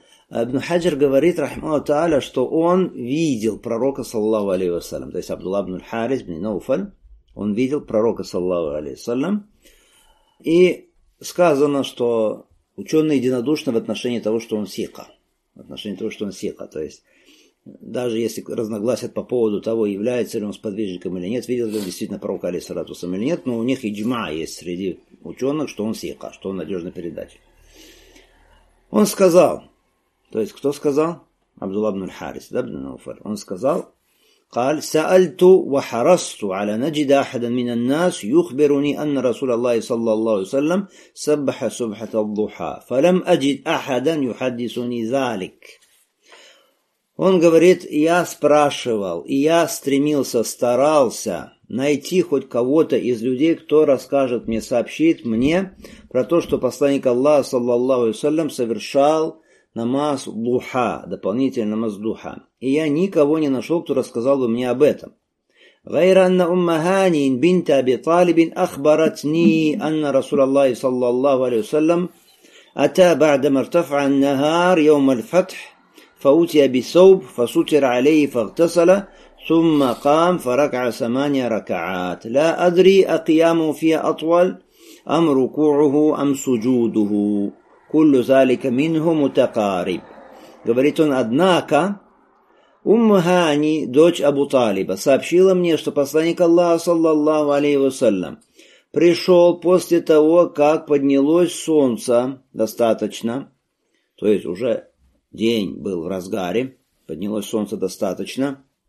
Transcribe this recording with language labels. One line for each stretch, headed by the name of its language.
Russian: Ибн Хаджр говорит, рахмаху тааля, что он видел пророка, саллаллаху алейхи вассалям, то есть Абдулла ибн Харис ибн Науфаль, он видел пророка, саллаллаху алейхи вассалям, и сказано, что ученые единодушны в отношении того, что он сика, в отношении того, что он сика, то есть даже если разногласят по поводу того, является ли он сподвижником или нет, видел ли он действительно пророка, алейхи салатусам, или нет, но у них иджма есть среди ученых, что он сика, что он надежный передатчик. Он сказал, то есть кто сказал? Абдулла ибн Харис, да, ибн Науфаль. Он сказал,
Arabic: قال سألت وحرصت على نجد أحدا من الناس يخبرني أن رسول الله صلى الله عليه وسلم سبح سبحة الضحى فلم أجد أحدا يحدثني ذلك.
Russian: Он говорит, я спрашивал, и я стремился, старался найти хоть кого-то из людей, кто расскажет мне, сообщит мне про то, что посланник Аллаха, саллаллаху алейхи ва саллям, совершал намаз духа, дополнительный намаз духа. И я никого не нашел, кто рассказал бы мне об этом.
Arabic: Гайра анна уммаханин бинт Аби Талибин ахбаратни анна Расулаллахи, саллаллаху алейхи ва саллям, ата ба'да мартафа ан-нахар йаум аль-фатх, فأوتي بثوب فستر عليه فاغتسل ثم قام فركع ثمانية ركعات لا أدري أقيامه فيها أطول أم ركوعه أم سجوده كل ذلك منه متقارب.
Russian: Говорит он, однако Умхани, дочь Абу Талиба, сообщила мне, что посланник Аллаха, саллаллаху алейхи ва саллям, пришел после того, как поднялось солнце достаточно, то есть уже день был в разгаре, поднялось солнце достаточно.